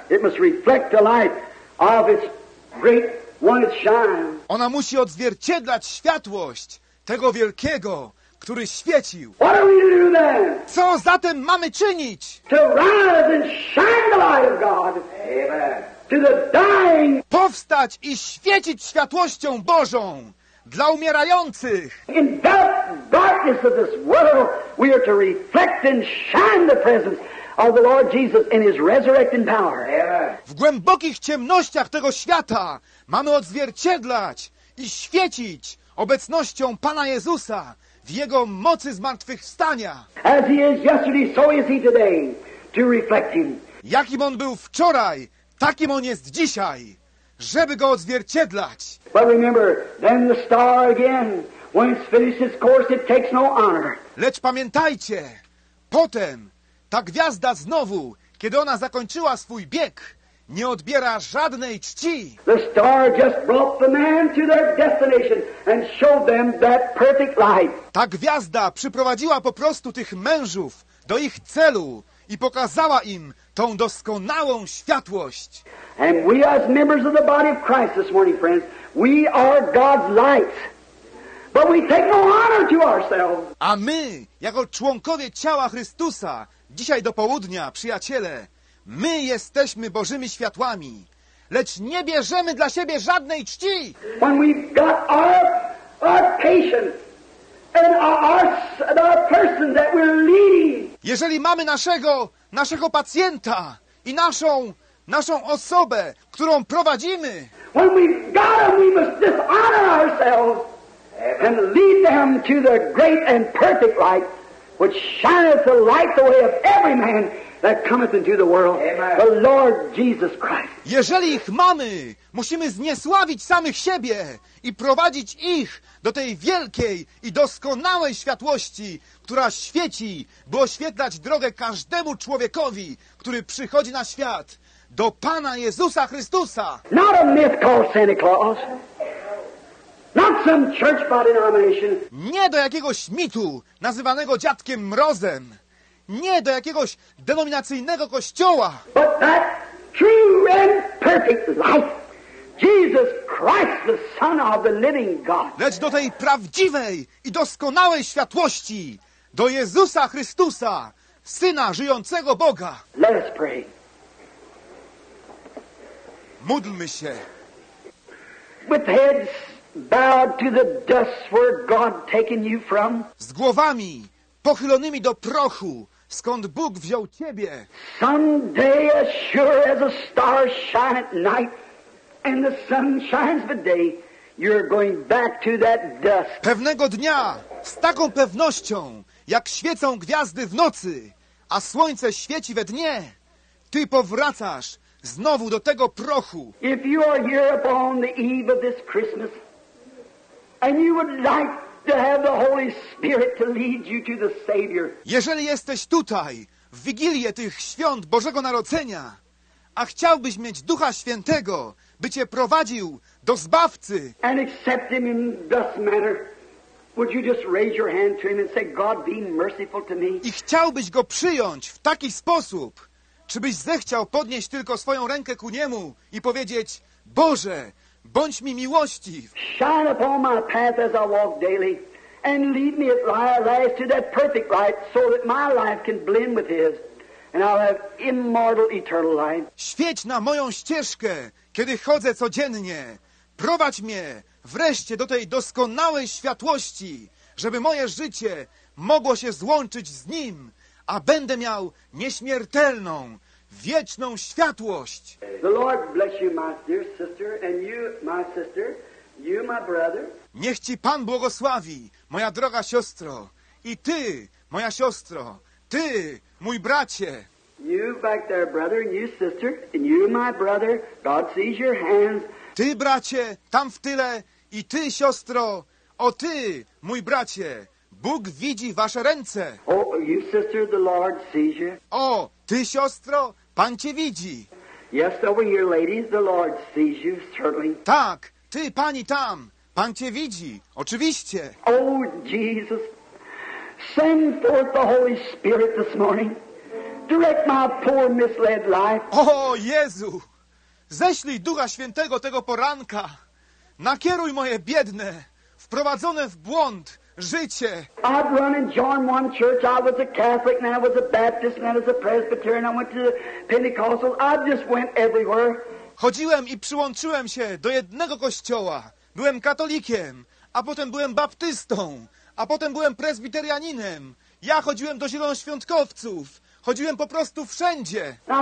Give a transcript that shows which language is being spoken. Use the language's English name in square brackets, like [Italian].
[English] It must reflect the light of its great one shine. [Polish] Ona musi odzwierciedlać światłość tego wielkiego, który świecił. [English] What are we to do then? [Polish] Co zatem mamy czynić? [English] To rise and shine the light of God. Amen. To the dying. [Polish] Powstać i świecić światłością Bożą dla umierających. [English] In that darkness of this world, we are to reflect and shine the presence of the Lord Jesus in His resurrecting power. Amen. [Polish] W głębokich ciemnościach tego świata mamy odzwierciedlać i świecić obecnością Pana Jezusa w Jego mocy zmartwychwstania. [English] As He is yesterday, so is He today, to reflect Him. [Polish] Jakim On był wczoraj, takim On jest dzisiaj, żeby Go odzwierciedlać. [English] But remember, then the star again, when it's finished its course, it takes no honor. [Polish] Lecz pamiętajcie, potem ta gwiazda znowu, kiedy ona zakończyła swój bieg, nie odbiera żadnej czci. [English] The star just brought the man to their destination and showed them that perfect light. [Polish] Ta gwiazda przyprowadziła po prostu tych mężów do ich celu i pokazała im tą doskonałą światłość. [English] And we as members of the body of Christ this morning, friends, we are God's light. But we take no honor to ourselves. [Polish] A my, jako członkowie ciała Chrystusa, dzisiaj do południa, przyjaciele, my jesteśmy Bożymi światłami, lecz nie bierzemy dla siebie żadnej czci. [English] When we've got our patience and our person that we're leading. [Polish] Jeżeli mamy naszego pacjenta i naszą osobę, którą prowadzimy. [English] When we've got them, we must dishonor ourselves and lead them to the great and perfect light, which shineth the light the way of every man. that cometh into the world, the Lord Jesus Christ. [Polish] Jeżeli ich mamy, musimy zniesławić samych siebie i prowadzić ich do tej wielkiej i doskonałej światłości, która świeci, by oświetlać drogę każdemu człowiekowi, który przychodzi na świat, do Pana Jezusa Chrystusa. [English] Not a myth called Santa Claus. Not some church by denomination. [Polish] Nie do jakiegoś mitu nazywanego Dziadkiem Mrozem. Nie do jakiegoś denominacyjnego kościoła. [English] But that true and perfect life. Jesus Christ, the Son of the living God. [Polish] Lecz do tej prawdziwej i doskonałej światłości. Do Jezusa Chrystusa, Syna żyjącego Boga. [English] Let us pray. [Polish] Módlmy się. [English] With heads bowed to the dust where God taken you from. [Polish] Z głowami pochylonymi do prochu, skąd Bóg wziął ciebie. [English] Someday as sure as a star shine at night and the sun shines the day, you're going back to that dust. [Polish] Pewnego dnia z taką pewnością, jak świecą gwiazdy w nocy, a słońce świeci we dnie, ty powracasz znowu do tego prochu. [English] If you are here upon the eve of this Christmas, and you would like to have the Holy Spirit to lead you to the Savior. [Polish] Jeżeli jesteś tutaj w wigilię tych świąt Bożego Narodzenia, a chciałbyś mieć Ducha Świętego, by cię prowadził do Zbawcy. [English] And accept him in this manner, would you just raise your hand to him and say, God, be merciful to me? [Polish] I chciałbyś go przyjąć w taki sposób, czy byś zechciał podnieść tylko swoją rękę ku niemu i powiedzieć, Boże, bądź mi miłościw. [English] Shine upon my path as I walk daily and lead me at last to that perfect light so that my life can blend with his and I'll have immortal eternal life. [Polish] Świeć na moją ścieżkę, kiedy chodzę codziennie. Prowadź mnie wreszcie do tej doskonałej światłości, żeby moje życie mogło się złączyć z nim, a będę miał nieśmiertelną, wieczną światłość. [English] The Lord bless you, my dear sister, and you, my sister, you, my brother. [Polish] Niech ci Pan błogosławi, moja droga siostro, i ty, moja siostro, ty, mój bracie. [English] You back there, brother, and you, sister, and you, my brother, God sees your hands. [Polish] Ty, bracie, tam w tyle, i ty, siostro, o ty, mój bracie, Bóg widzi wasze ręce. [English] Oh, you, sister, the Lord sees you. [Polish] O, ty, siostro, Pan cię widzi. [English] Yes, over here, ladies, the Lord sees you, certainly. [Polish] Tak, ty, pani tam, Pan cię widzi, oczywiście. [English] Oh, Jesus, send forth the Holy Spirit this morning. Direct my poor misled life. [Polish] O, Jezu! Ześlij Ducha Świętego tego poranka. Nakieruj moje biedne, wprowadzone w błąd życie. [English] I'd run and join one church. I was a Catholic, and I was a Baptist, and I was a Presbyterian. I went to the Pentecostal. I just went everywhere. [Polish] Chodziłem i przyłączyłem się do jednego kościoła. Byłem katolikiem, a potem byłem baptystą, a potem byłem prezbiterianinem. Ja chodziłem do zielonoświątkowców. Chodziłem po prostu wszędzie.